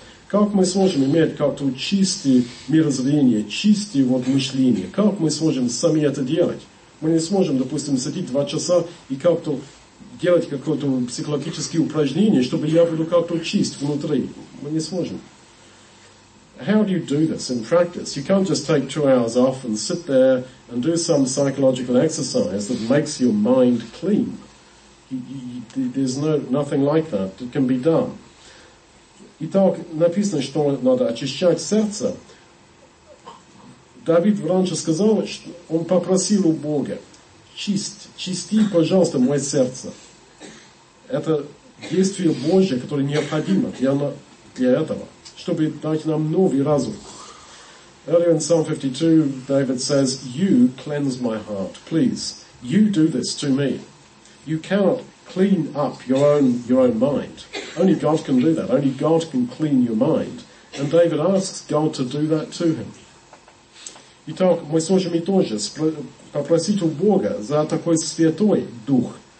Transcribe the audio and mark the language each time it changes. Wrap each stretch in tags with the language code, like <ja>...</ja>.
<ru>Как мы сможем иметь как-то чистое мировоззрение, чистое вот мышление? Как мы сможем сами это делать? Мы не сможем, допустим, сидеть 2 часа и как-то делать какое-то психологическое упражнение, чтобы я буду как-то чист внутри. Мы не сможем.</ru> <en>How do you do this in practice? You can't just take 2 hours off and sit there and do some psychological exercise that makes your mind clean. There's nothing like that that can be done.</en> <ru>Итак, написано, что надо очищать сердце. Давид раньше сказал, что он попросил у Бога, чисти, пожалуйста, мое сердце. Это действие Божье, которое необходимо для этого, чтобы дать нам новый разум.</ru> <en>Earlier in Psalm 52, David says, you cleanse my heart, please. You do this to me. You cannot clean up your own mind. Only God can do that. Only God can clean your mind. And David asks God to do that to him.</en> <ru>Итак, мы сможем и тоже попросить у Бога за такой святой дух.</ru>